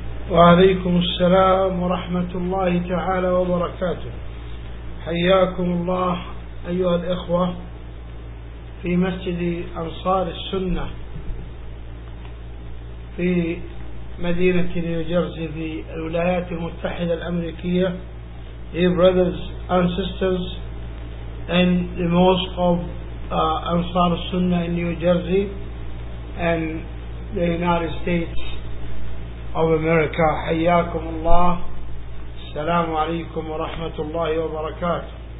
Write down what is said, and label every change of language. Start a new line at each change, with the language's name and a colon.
Arabic: وعليكم السلام ورحمة الله تعالى وبركاته. حياكم الله أيها الإخوة في مسجد أنصار السنة في مدينة نيوجيرسي في الولايات المتحدة الأمريكية.
English: Dear brothers and sisters in the mosque of أنصار السنة in New Jersey and the United States of America.
Arabic: حياكم الله. السلام عليكم ورحمة الله وبركاته.